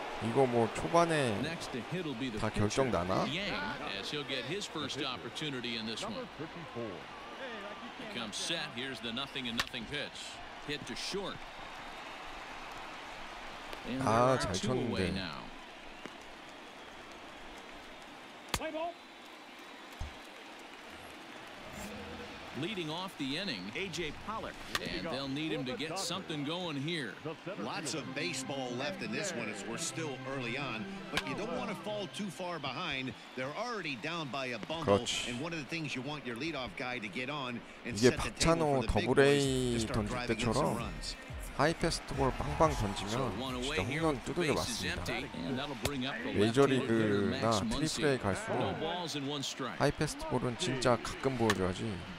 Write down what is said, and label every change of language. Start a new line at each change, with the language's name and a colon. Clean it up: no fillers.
Korean: 이거 뭐 초반에 다 결정 나나?
English: He'll get his first opportunity in this one. Comes set. Here's the nothing and nothing pitch. Hit to short.
Korean: 아, 잘 쳤는데. 화이볼.
English: Leading off the inning, A.J. Pollock. And they'll need him to get something going here. Lots of baseball left in this one as we're still early on. But you don't want to fall too far behind. They're already down by a bundle.
Korean: 그렇지.
English: And one of the things you want your leadoff guy to get on and set the table for the big boys to start driving in some runs.
Korean: 하이 패스트볼 빵빵 던지면 진짜 홈런 뚜드려 맞습니다. 메이저리그나 트리플 A 갈수록 하이 패스트볼은 진짜 가끔 보여줘야지.